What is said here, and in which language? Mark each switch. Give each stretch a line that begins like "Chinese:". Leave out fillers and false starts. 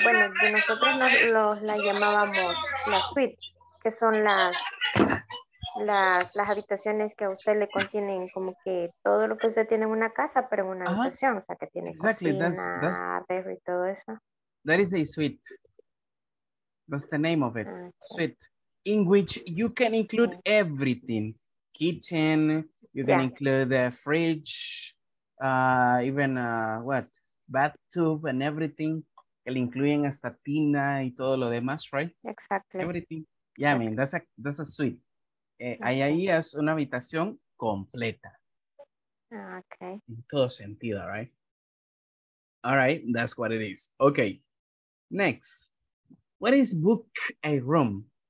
Spanish: Bueno, que nosotros la llamábamos la suite, que son las habitaciones que a usted le contienen como que todo lo que usted tiene en una casa, pero en una habitación. O sea, que tiene cocina, refri y todo eso.
English: That is a suite. That's the name of it, suite, in which you can include everything. Kitchen, you can include the fridge, even bathtub and everything.
Spanish: El incluyen hasta tina y todo lo demás,
English: right? Exactly. Everything. Yeah, I mean, that's a suite.
Spanish: Ahí es una habitación completa.
English: Okay.
Spanish: En todo sentido,
English: right? All right, that's what it is. Okay, next. What is book a room?